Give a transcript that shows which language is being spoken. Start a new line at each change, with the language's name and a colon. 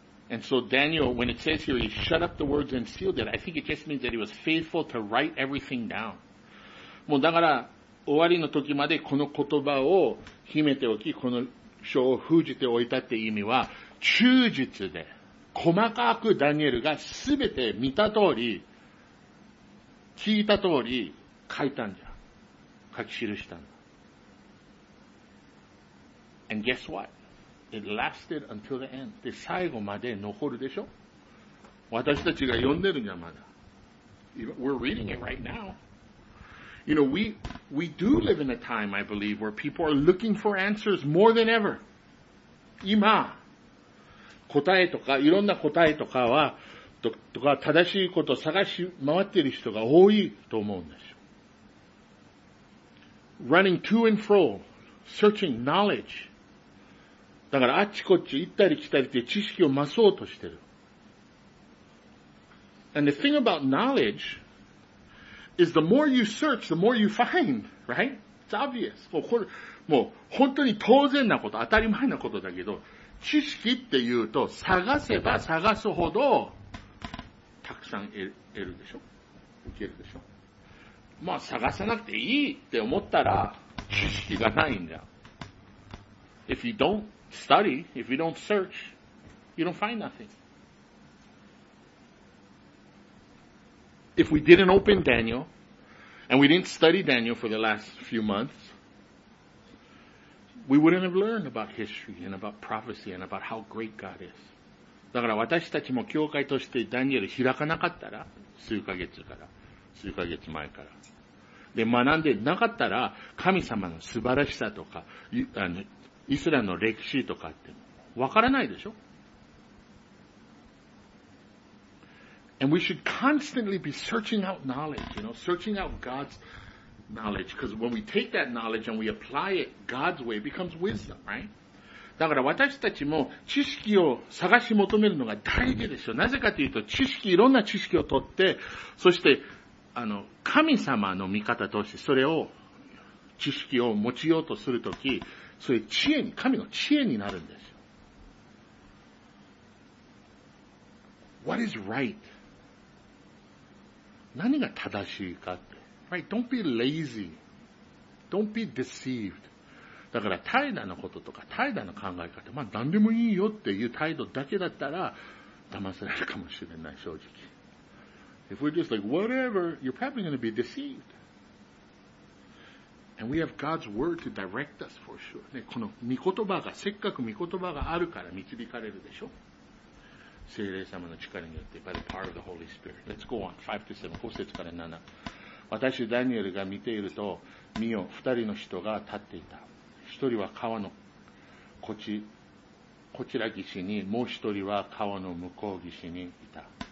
English: And so Daniel, when it says here, he shut up the words and sealed it, I think it just means that he was faithful to write everything down.
Japanese: もうだから、終わりの時までこの言葉を秘めておき、この書を封じておいたって意味は、忠実で、細かくダニエルがすべて見た通り、聞いた通り、書いたんじゃ。書き記したの。
English: And guess what? It lasted until the end.
Japanese: で、最後まで残るでしょ？私たちが読んでるんじゃまだ。
English: We're reading it right now. You know, we do live in a time, I believe, where people are looking for answers more than ever.
Japanese: 今、答えとか、いろんな答えとかは、とか正しいことを探し回っている人が多いと思うんですよ。
English: Running to and fro, searching knowledge.
Japanese: だからあっちこっち行ったり来たりって知識を増そうとしてる。
English: And the thing about knowledge is the more you search, the more you find, right? It's obvious.
Japanese: もうこれ、もう本当に当然なこと、当たり前なことだけど、知識っていうと探せば探すほど、たくさん得るでしょ？受けるでしょ？まあ探さなくていいって思ったら知識がないんだ。
English: If you don't study, if you don't search, you don't find nothing. If we didn't open Daniel, and we didn't study Daniel for the last few months, we wouldn't have learned about history and about prophecy and about how great God is.
Japanese: だから私たちも教会としてダニエル開かなかったら、数ヶ月前から。で、学んでなかったら、神様の素晴らしさとか、イスラムの歴史とかって、わからないでしょ？
English: And we should constantly be searching out knowledge, you know, searching out God's knowledge, because when we take that knowledge and we apply it, God's way becomes wisdom, right?
Japanese: だから私たちも知識を探し求めるのが大事ですよ。なぜかというと知識、いろんな知識を取って、そして、神様の見方としてそれを、知識を持ちようとするとき、それ知恵に、神の知恵になるんですよ。
English: What is right?
Japanese: 何が正しいかって。
English: Right, don't be lazy. Don't be deceived.
Japanese: だから怠惰のこととか怠惰の考え方、まあ何でもいいよっていう態度だけだったら騙されるかもしれない、正直。
English: If we're just like whatever, you're probably going to be deceived. And we have God's word to direct us for sure.
Japanese: ね、この御言葉が、せっかく御言葉があるから導かれるでしょ。聖霊様の力によって、
English: by the power of the Holy Spirit. Let's go on. 5 to 7,
Japanese: 5節から7。私、ダニエルが見ていると、見よ、二人の人が立っていた。一人は川のこちら岸に、もう一人は川の向こう岸にいた。